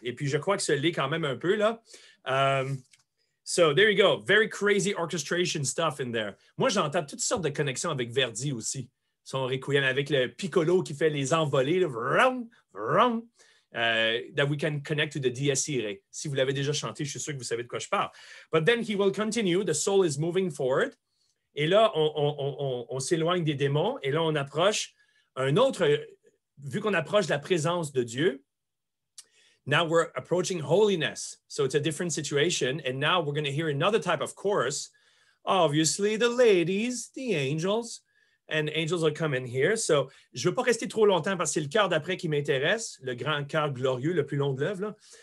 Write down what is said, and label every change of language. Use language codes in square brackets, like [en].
[fr] Et puis je crois que ça l'est quand même un peu là. [en] So there you go. Very crazy orchestration stuff in there. [fr] Moi, j'entends toutes sortes de connexions avec Verdi aussi. Son requiem avec le piccolo qui fait les envolées, le vroom, vroom, [en] that we can connect to the Dies Irae. [fr] Si vous l'avez déjà chanté, je suis sûr que vous savez de quoi je parle. [en] But then he will continue, the soul is moving forward. [fr] Et là, on s'éloigne des démons, et là, on approche un autre, vu qu'on approche la présence de Dieu, [en] now we're approaching holiness. So it's a different situation, and now we're going to hear another type of chorus. Obviously, the ladies, the angels, and angels will come in here. So, [fr] je veux pas rester trop longtemps parce que c'est le cœur d'après qui m'intéresse, le grand cœur glorieux, le plus long de l'œuvre.